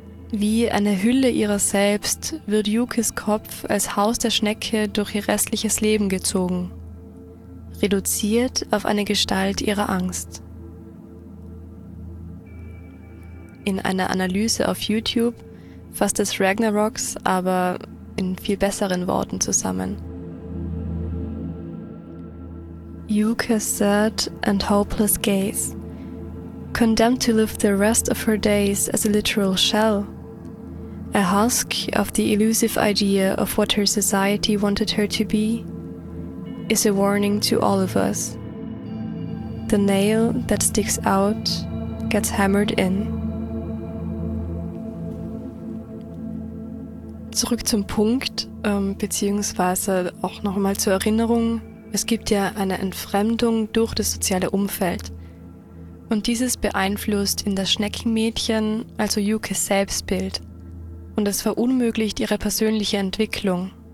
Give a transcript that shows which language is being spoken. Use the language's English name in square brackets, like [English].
[German] Wie eine Hülle ihrer selbst wird Yukes Kopf als Haus der Schnecke durch ihr restliches Leben gezogen, reduziert auf eine Gestalt ihrer Angst. In einer Analyse auf YouTube fasst es Ragnaroks aber in viel besseren Worten zusammen. [English] Yuke's sad and hopeless gaze, condemned to live the rest of her days as a literal shell, a husk of the elusive idea of what her society wanted her to be, is a warning to all of us. The nail that sticks out gets hammered in. [German] Zurück zum Punkt, beziehungsweise auch nochmal zur Erinnerung, es gibt ja eine Entfremdung durch das soziale Umfeld. Und dieses beeinflusst in das Schneckenmädchen, also Yukes Selbstbild, und es verunmöglicht ihre persönliche Entwicklung.